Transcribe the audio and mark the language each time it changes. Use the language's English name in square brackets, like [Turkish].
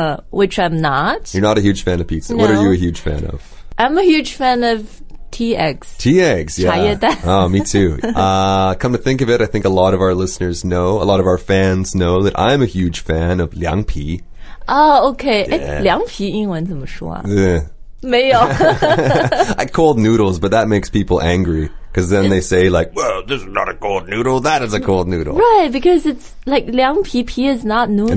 [English] Which I'm not. You're not a huge fan of pizza. No. What are you a huge fan of? I'm a huge fan of tea eggs. Tea eggs, yeah. [Chinese] 茶叶蛋 [English] Oh, me too. Come to think of it, I think a lot of our listeners know, a lot of our fans know that I'm a huge fan of 凉皮 Oh, okay. [Chinese] 凉皮英文怎么说啊 没有 [English] I cold noodles, but that makes people angry. Because then they say like, well, this is not a cold noodle. That is a cold noodle. Right, because it's like 凉皮皮 is not noodle.